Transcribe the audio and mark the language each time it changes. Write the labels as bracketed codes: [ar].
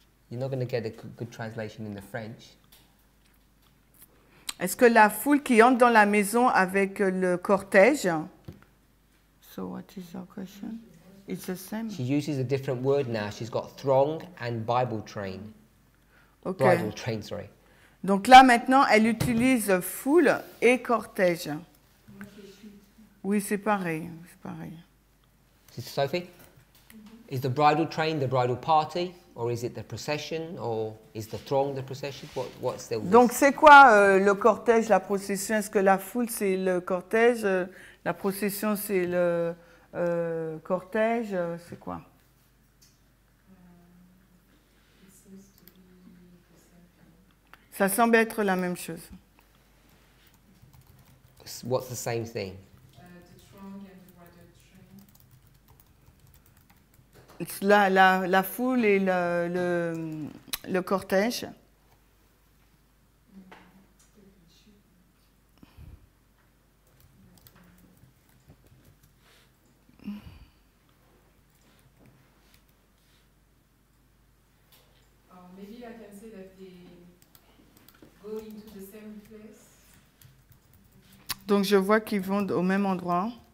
[en] You're not going to get a good translation in the French. [fr] Est-ce que la foule qui entre dans la maison avec le cortège? [en] So what is your question? It's the same. She uses a different word now. She's got throng and Bible train. Okay. Bridal train, sorry. [fr] Donc là, maintenant, elle utilise foule et cortège. Oui, c'est pareil. C'est pareil. [en] Sister Sophie, is the bridal train the bridal party, or is it the procession, or is the throng the procession? What's the? [fr] Donc c'est quoi le cortège, la procession? Est-ce que la foule c'est le cortège, la procession c'est le cortège? C'est quoi? Ça semble être la même chose. [en] What's the same thing? [fr] La foule et le cortège. [en] Maybe I can say that they go into the same place. [fr] Donc je vois qu'ils vont au même endroit.